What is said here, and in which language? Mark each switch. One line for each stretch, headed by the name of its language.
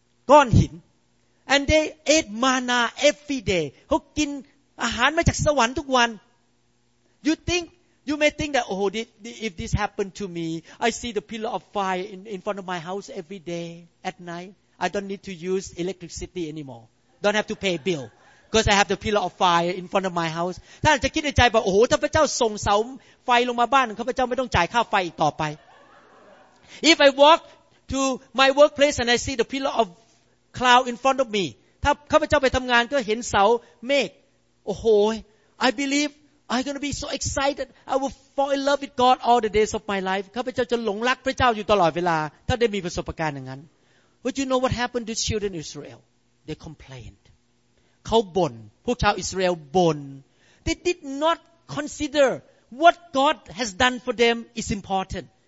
Thai: ก้อนหิน
English: And they ate manna every day
Thai: เขากินอาหารมาจากสวรรค์ทุกวัน
English: You may think that, oh, if this happened to me, I see the pillar of fire in front of my house every day at night. I don't need to use electricity anymore. Don't have to pay bill. Because I have the pillar of fire in front of my house.
Thai: ท่านจะคิดในใจว่าโอ้โหถ้าพระเจ้าส่งเสาไฟลงมาบ้านข้าพเจ้าไม่ต้องจ่ายค่าไฟอีกต่อไป
English: If I walk to my workplace and I see the pillar of cloud in front of me
Thai: ถ้าข้าพเจ้าไปทำงานก็เห็นเสาเมฆโอ้โห
English: I believe I'm going to be so excited I will fall in love with God all the days of my life
Thai: ข้าพเจ้าจะหลงรักพระเจ้าอยู่ตลอดเวลาถ้าได้มีประสบการณ์อย่างนั้น
English: Would you know what happened to children Israel they complained
Thai: เขาบ่นพวกชาวอิสราเอลบ่น
English: they did not considerWhat God has done for them is important.